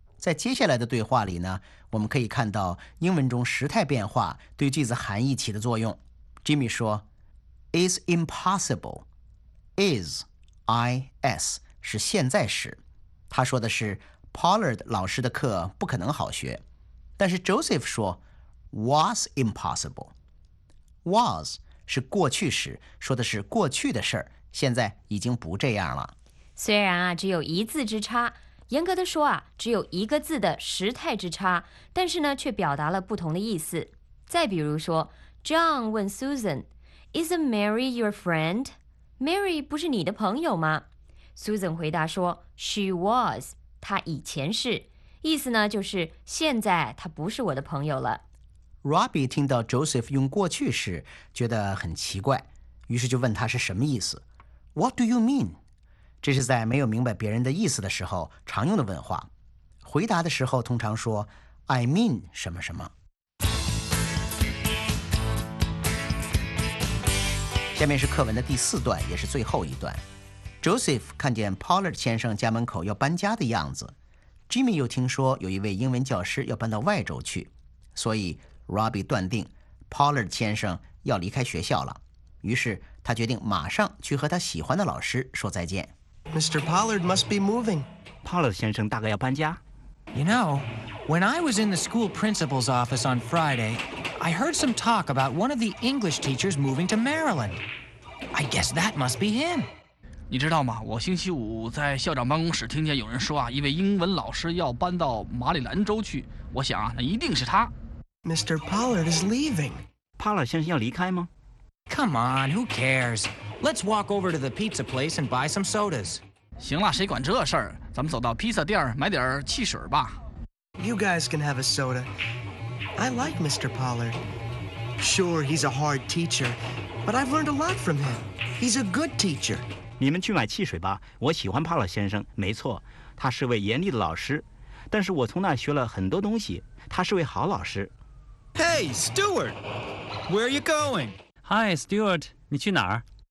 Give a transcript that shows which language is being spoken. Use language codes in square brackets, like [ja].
[zh] 在接下来的对话里呢，我们可以看到英文中时态变化对句子含义起的作用。 Jimmy 说 [en] Is impossible. [zh] Is, I-S, 是现在时。他说的是 Pollard 老师的课不可能好学。但是 Joseph 说 [en] Was impossible. [zh] Was 是过去时，说的是过去的事，现在已经不这样了。虽然啊，只有一字之差，严格的说啊，只有一个字的时态之差，但是呢，却表达了不同的意思。再比如说 ，John 问 Susan， [en] "Is Mary your friend?" [zh] Mary 不是你的朋友吗 ？Susan 回答说 ， [en] "She was." [zh] 她以前是，意思呢就是现在她不是我的朋友了。 Robbie 听到 Joseph 用过去式，觉得很奇怪，于是就问他是什么意思 ， [en] "What do you mean?" [zh] 这是在没有明白别人的意思的时候常用的问话，回答的时候通常说 [en] I mean [zh] 什么什么。下面是课文的第四段，也是最后一段。Joseph 看见 Pollard 先生家门口要搬家的样子， Jimmy 又听说有一位英文教师要搬到外州去，所以 Robbie 断定 Pollard 先生要离开学校了，于是他决定马上去和他喜欢的老师说再见。 [en] Mr. Pollard must be moving. [zh] Pollard 先生大概要搬家。 [en] You know, when I was in the school principal's office on Friday, I heard some talk about one of the English teachers moving to Maryland. I guess that must be him. [zh] 你知道吗？我星期五在校长办公室听见有人说啊，一位英文老师要搬到马里兰州去。我想啊，那一定是他。 [en] Mr. Pollard is leaving. [zh] Pollard 先生要离开吗？ [en] Come on, who cares? Let's walk over to the pizza place and buy some sodas. [zh] 行了，谁管这事儿？咱们走到披萨店买点汽水吧。 [en] You guys can have a soda. I like Mr. Pollard. Sure, he's a hard teacher, but I've learned a lot from him. He's a good teacher. [zh] 你们去买汽水吧。我喜欢帕勒先生，没错，他是位严厉的老师，但是我从那儿学了很多东西。他是位好老师。 [en] Hey, Stuart, where are you going? [zh] Hi, Stuart, 你去哪儿？